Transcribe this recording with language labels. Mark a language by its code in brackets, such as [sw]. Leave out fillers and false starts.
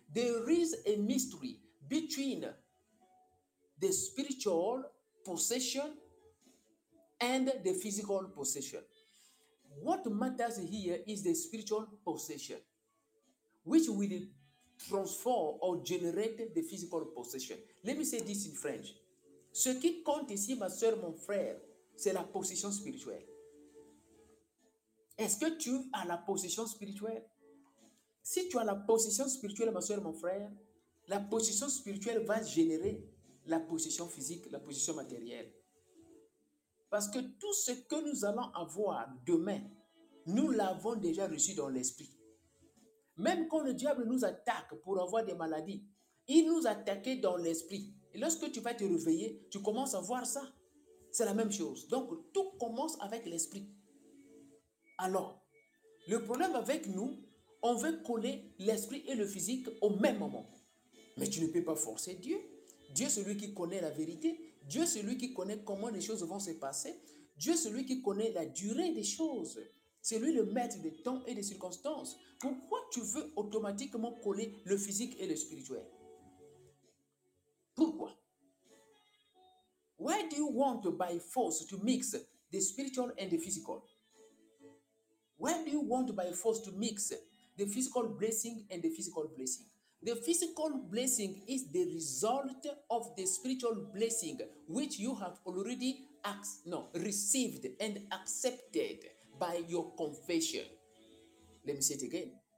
[en] There is a mystery between the spiritual possession and the physical possession. What matters here is the spiritual possession, which will transform or generate the physical possession. Let me say this in French. [fr] Ce qui compte ici, ma soeur, mon frère, c'est la possession spirituelle. Est-ce que tu as la possession spirituelle? Si tu as la possession spirituelle, ma soeur, mon frère, la possession spirituelle va générer la possession physique, la possession matérielle. Parce que tout ce que nous allons avoir demain, nous l'avons déjà reçu dans l'esprit. Même quand le diable nous attaque pour avoir des maladies, il nous attaque dans l'esprit. Et lorsque tu vas te réveiller, tu commences à voir ça. C'est la même chose. Donc, tout commence avec l'esprit. Alors, le problème avec nous, on veut coller l'esprit et le physique au même moment. Mais tu ne peux pas forcer Dieu. Dieu, c'est lui qui connaît la vérité. Dieu, c'est lui qui connaît comment les choses vont se passer. Dieu, c'est lui qui connaît la durée des choses. C'est lui le maître des temps et des circonstances. Pourquoi tu veux automatiquement coller le physique et le spirituel? Pourquoi? [en] Why do you want by force to mix the spiritual and the physical? When do you want by force to mix the physical blessing and the physical blessing? The physical blessing is the result of the spiritual blessing which you have already received and accepted by your confession. Let me say it again.